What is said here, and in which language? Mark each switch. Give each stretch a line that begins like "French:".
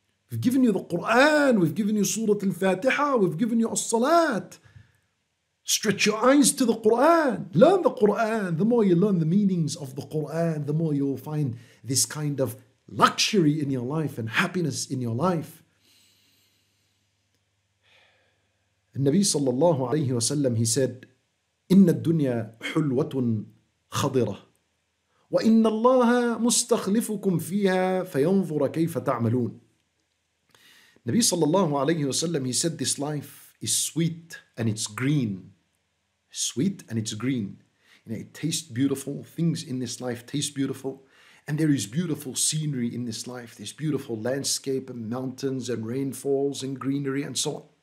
English: We've given you the Quran, we've given you Surah Al-Fatiha, we've given you As-Salat. Stretch your eyes to the Quran. Learn the Quran. The more you learn the meanings of the Quran, the more you'll find this kind of luxury in your life and happiness in your life. The Nabi sallallahu alayhi wa sallam, he said,
Arabic: إِنَّ الدُّنْيَا حُلْوَةٌ خَضِرَةٌ وَإِنَّ اللَّهَ مُسْتَخْلِفُكُمْ فِيهَا فَيَنْظُرَ كَيْفَ تَعْمَلُونَ.
English: Nabi sallallahu alayhi wa sallam, he said, this life is sweet and it's green. Sweet and it's green. You know, it tastes beautiful. Things in this life taste beautiful. And there is beautiful scenery in this life. There's beautiful landscape and mountains and rainfalls and greenery and so on.